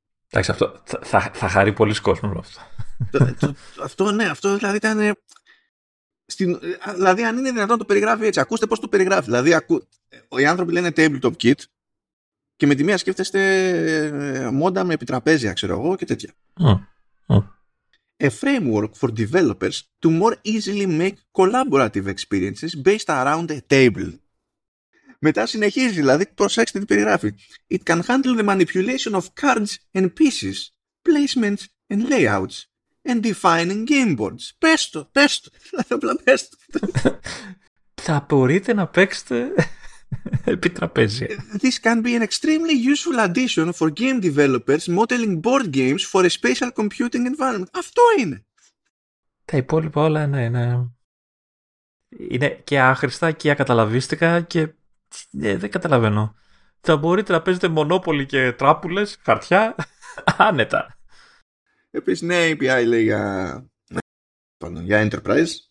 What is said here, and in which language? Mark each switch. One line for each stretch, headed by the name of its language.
Greek: Εντάξει, αυτό θα χαρεί πολύ κόσμο αυτό. Αυτό, ναι, αυτό δηλαδή ήταν... δηλαδή, αν είναι δυνατόν να το περιγράφει έτσι, ακούστε πώς το περιγράφει. Δηλαδή, οι άνθρωποι λένε tabletop kit και με τη μία σκέφτεστε μόντα με επιτραπέζια, ξέρω εγώ, και τέτοια.
English: A framework for developers to more easily make collaborative experiences based around a table.
Greek: Μετά συνεχίζει, δηλαδή, προσέξτε τι περιγράφει.
English: It can handle the manipulation of cards and pieces, placements and layouts, and defining game boards.
Greek: Πες το. Δηλαδή, απλά πες το. Θα μπορείτε να παίξετε επί τραπέζια.
English: This can be an extremely useful addition for game developers modeling board games for a spatial computing environment.
Greek: Αυτό είναι. Τα υπόλοιπα όλα είναι και άχρηστα και ακαταλαβίστικα και δεν καταλαβαίνω. Θα μπορείτε να παίζετε μονόπολη και τράπουλες, χαρτιά, άνετα. Επίσης, ναι, API λέει για enterprise.